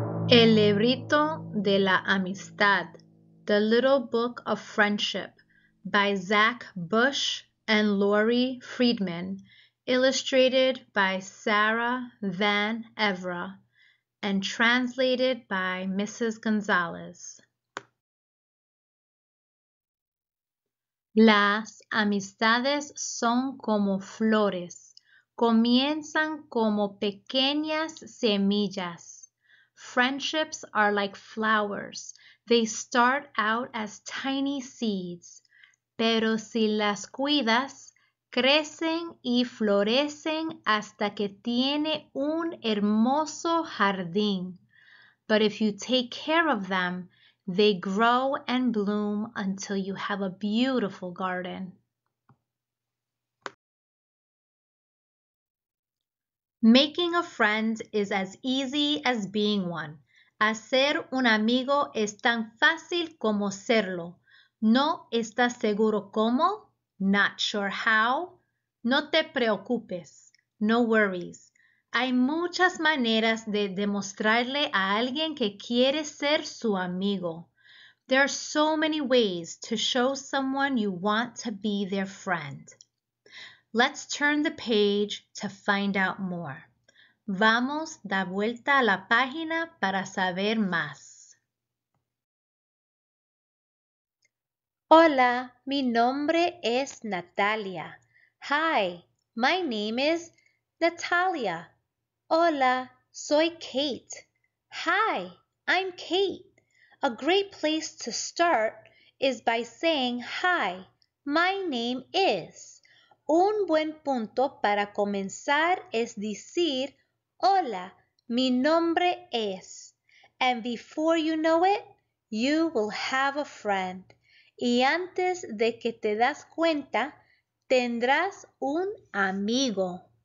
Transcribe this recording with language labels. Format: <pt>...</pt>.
<en>El librito de la amistad, The Little Book of Friendship, by Zach Bush and Lori Friedman, illustrated by Sarah Van Evra, and translated by Mrs. Gonzalez.</en> <es>Las amistades son como flores, comienzan como pequeñas semillas.</es> <en>Friendships are like flowers. They start out as tiny seeds.</en> <es>Pero si las cuidas, crecen y florecen hasta que tiene un hermoso jardín.</es> <en>But if you take care of them, they grow and bloom until you have a beautiful garden. Making a friend is as easy as being one.</en> <es>Hacer un amigo es tan fácil como serlo. ¿No estás seguro cómo? Not sure how? No te preocupes. No worries. Hay muchas maneras de demostrarle a alguien que quiere ser su amigo.</es> <en>There are so many ways to show someone you want to be their friend. Let's turn the page to find out more.</en> <es>Vamos a dar vuelta a la página para saber más. Hola, mi nombre es Natalia.</es> <en>Hi, my name is Natalia.</en> <es>Hola, soy Kate. Hi, I'm Kate.</es> <en>A great place to start is by saying, hi, my name is.</en> <es>Un buen punto para comenzar es decir, hola, mi nombre es.</es> <en>And before you know it, you will have a friend.</en> <es>Y antes de que te das cuenta, tendrás un amigo.</es>